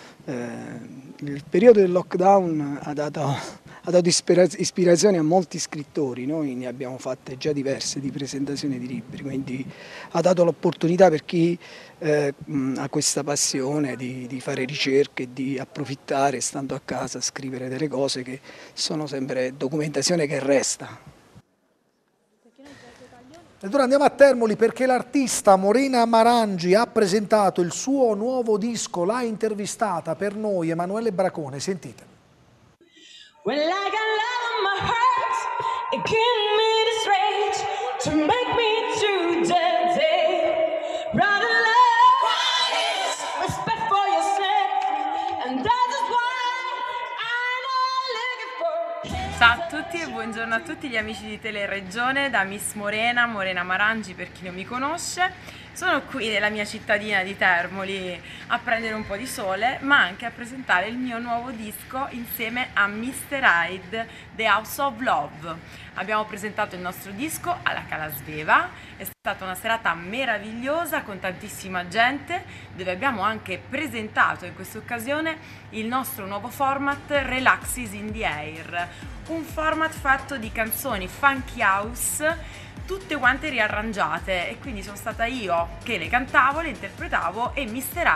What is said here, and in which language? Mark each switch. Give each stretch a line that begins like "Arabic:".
Italian: Il periodo del lockdown ha dato ispirazione a molti scrittori, noi ne abbiamo fatte già diverse di presentazione di libri, quindi ha dato l'opportunità per chi ha questa passione di fare ricerche, di approfittare stando a casa a scrivere delle cose che sono sempre documentazione che resta. E ora andiamo a Termoli perché l'artista Morena Marangi ha presentato il suo nuovo disco, l'ha intervistata per noi Emanuele Bracone, sentite.
English: Well, I got love in my heart, it gave me the strength to make me to the day. Brother love, respect for yourself, and that is why I'm all looking for.
Italian: Ciao a tutti e buongiorno a tutti gli amici di Teleregione, da Miss Morena, Morena Marangi per chi non mi conosce. Sono qui nella mia cittadina di Termoli a prendere un po' di sole, ma anche a presentare il mio nuovo disco insieme a Mr. Hyde, The House of Love. Abbiamo presentato il nostro disco alla Cala Sveva, è stata una serata meravigliosa con tantissima gente, dove abbiamo anche presentato in questa occasione il nostro nuovo format Relaxes in the Air, un format fatto di canzoni funky house, tutte quante riarrangiate, e quindi sono stata io che le cantavo, le interpretavo e Mr.